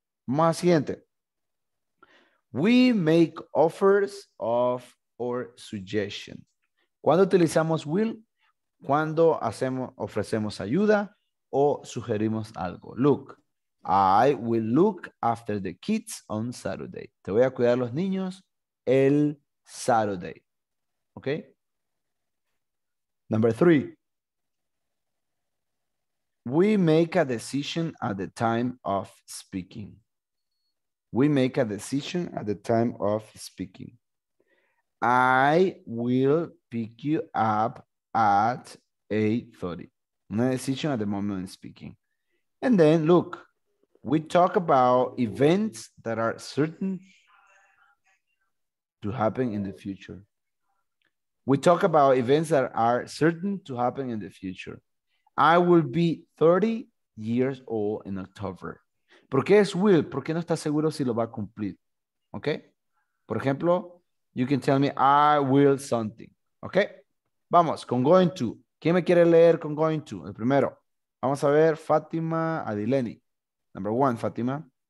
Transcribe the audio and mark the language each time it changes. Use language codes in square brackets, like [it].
[es] Más siguiente. [en] We make offers of or suggestion. [es] ¿Cuándo utilizamos will? Cuando ofrecemos ayuda o sugerimos algo. [en] Look, I will look after the kids on Saturday. [es] Te voy a cuidar los niños el Saturday. ¿Ok? [en] Number three. We make a decision at the time of speaking. We make a decision at the time of speaking. I will pick you up at 8:30. Una decision at the moment of speaking. And then look, we talk about events that are certain to happen in the future. We talk about events that are certain to happen in the future. I will be 30 years old in October. [es] ¿Por qué es will? ¿Por qué no está seguro si lo va a cumplir? [en] ¿Ok? [es] Por ejemplo, [en] you can tell me, I will something. ¿Ok? [es] Vamos, con going to. ¿Quién me quiere leer con going to? El primero. Vamos a ver, Fátima Adileni. [en] Number one, [es] Fátima.